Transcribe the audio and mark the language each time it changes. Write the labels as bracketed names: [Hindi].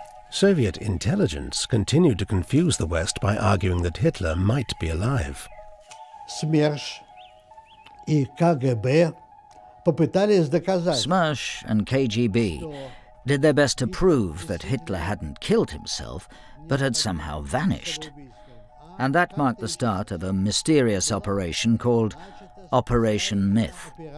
[English] Soviet intelligence continued to confuse the West by arguing that Hitler might be alive. [Russian] СМЕРШ и КГБ попытались доказать. [English] СМЕРШ and KGB did their best to prove that Hitler hadn't killed himself, but had somehow vanished. And that marked the start of a mysterious operation called Operation Myth.